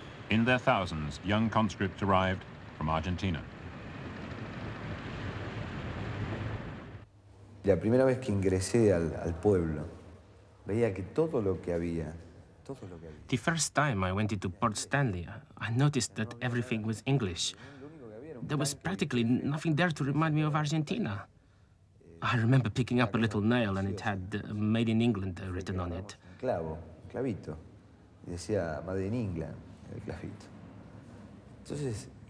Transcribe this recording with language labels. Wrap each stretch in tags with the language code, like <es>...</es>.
<en>In their thousands, young conscripts arrived from Argentina.</en> <es>La primera vez que ingresé al pueblo, veía que todo lo que había.</es> <en>The first time I went into Port Stanley, I noticed that everything was English. There was practically nothing there to remind me of Argentina. I remember picking up a little nail and it had Made in England written on it.</en> <es>Clavo, clavito. Y decía</es> <en>Made in England,</en> <es>el clavito. Entonces,</es>